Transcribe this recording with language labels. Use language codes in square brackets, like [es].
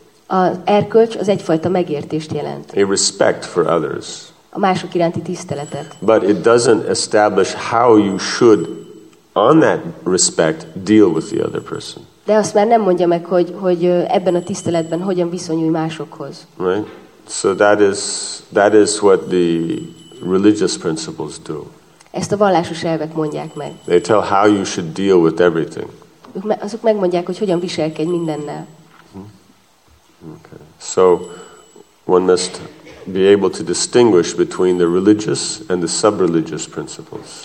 [hu] Az erkölcs az egyfajta megértést jelent. [en] A respect for others. [hu] A mások iránti tiszteletet. [en] But it doesn't establish how you should, on that respect, deal with the other person. [hu] De azt már nem mondja meg, hogy ebben a tiszteletben hogyan viszonyulj másokhoz. [en] Right. So that is what the religious principles do. [hu] Ezt a vallásos elvek mondják meg. [en] They tell how you should deal with everything. [hu] Azok megmondják, hogy hogyan viselkedj mindennel. [en] Okay. So one must be able to distinguish between the religious and the sub-religious principles.